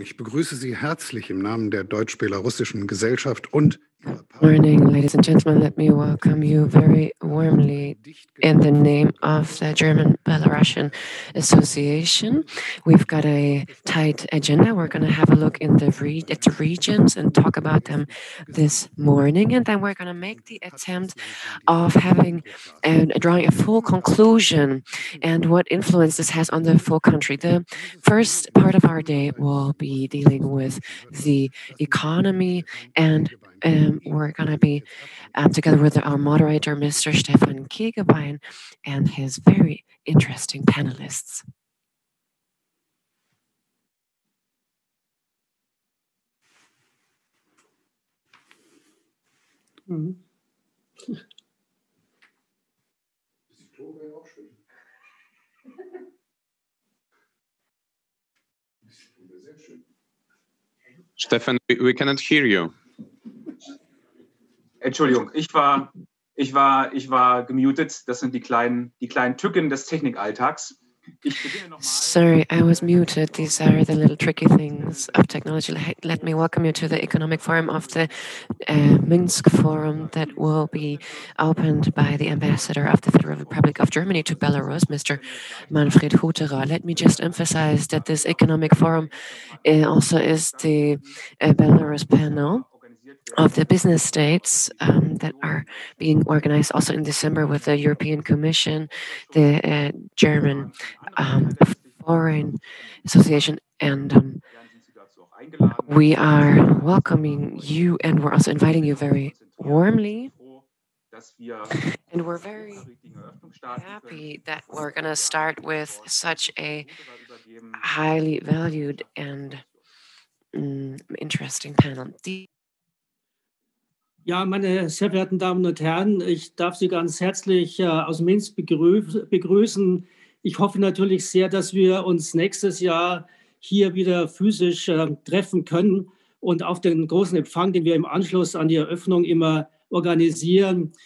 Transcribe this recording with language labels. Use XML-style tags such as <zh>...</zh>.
<de>Ich begrüße Sie herzlich im Namen der deutsch-belarussischen Gesellschaft und</de> <en>Morning, ladies and gentlemen. Let me welcome you very warmly in the name of the German-Belarusian Association. We've got a tight agenda. We're going to have a look in the regions and talk about them this morning. And then we're going to make the attempt of having and drawing a full conclusion and what influence this has on the full country. The first part of our day will be dealing with the economy and we're going to be together with our moderator, Mr. Stefan Kaegebein, and his very interesting panelists. Stefan, we cannot hear you.</en> <de>Entschuldigung, ich war gemutet. Das sind die kleinen Tücken des Technikalltags.</de> <en>Sorry, I was muted. These are the little tricky things of technology. Let me welcome you to the economic forum of the Minsk forum that will be opened by the ambassador of the Federal Republic of Germany to Belarus, Mr. Manfred Huterer. Let me just emphasize that this economic forum also is the Belarus panel of the business states that are being organized also in December with the European Commission, the German Foreign Association, and we are welcoming you and we're also inviting you very warmly. And we're very happy that we're going to start with such a highly valued and interesting panel.</en> <de>Ja, meine sehr verehrten Damen und Herren, ich darf Sie ganz herzlich aus Minsk begrüßen. Ich hoffe natürlich sehr, dass wir uns nächstes Jahr hier wieder physisch treffen können und auf den großen Empfang, den wir im Anschluss an die Eröffnung immer organisieren.</de>